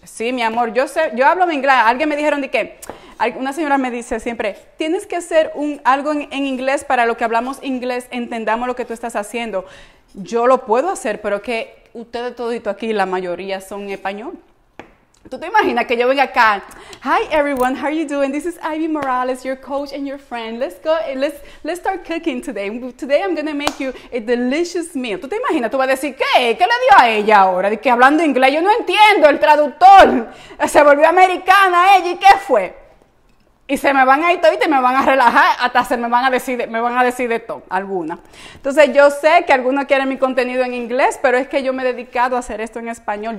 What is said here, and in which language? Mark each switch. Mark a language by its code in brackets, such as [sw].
[es] Sí, mi amor, yo hablo inglés. Alguien me dijeron de que, una señora me dice siempre, tienes que hacer algo en inglés para lo que hablamos inglés, entendamos lo que tú estás haciendo. Yo lo puedo hacer, pero que ustedes todito aquí, la mayoría son español. ¿Tú te imaginas que yo venga acá? [en] Hi everyone, how are you doing? This is Ivy Morales, your coach and your friend. Let's start cooking today. Today I'm going to make you a delicious meal. [es] ¿Tú te imaginas? Tú vas a decir, ¿qué? ¿Qué le dio a ella ahora? De que hablando inglés, yo no entiendo el traductor. Se volvió americana ella, ¿y qué fue? Y se me van a ir todito y me van a relajar, hasta se me van a decir de todo, alguna. Entonces yo sé que algunos quieren mi contenido en inglés, pero es que yo me he dedicado a hacer esto en español.